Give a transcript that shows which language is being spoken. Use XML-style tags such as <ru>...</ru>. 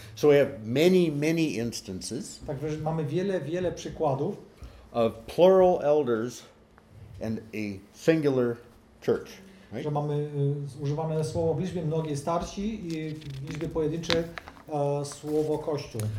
<en>So we have many, many instances.</en> <pl>Także mamy wiele, wiele przykładów.</pl> <en>Of plural elders and a singular church. Right?</en> <pl>Że mamy używane słowo w liczbie mnogiej starsi i w liczbie pojedynczej słowo kościół.</pl>